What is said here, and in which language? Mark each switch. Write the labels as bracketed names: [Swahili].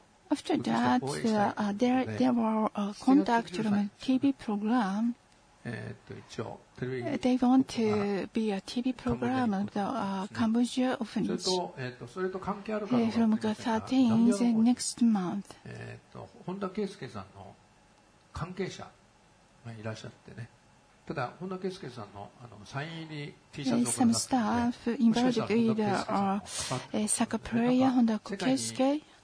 [English] After that, there were contact from a TV program. They want to be a TV program of the Cambodia orphanage from the 13th next month. [Japanese] 本田圭介さんの関係者がいらっしゃってね。ただ本田圭介さんのあのサイン入り T シャツを。 [English] Some staff involved in the soccer player Honda Keisuke.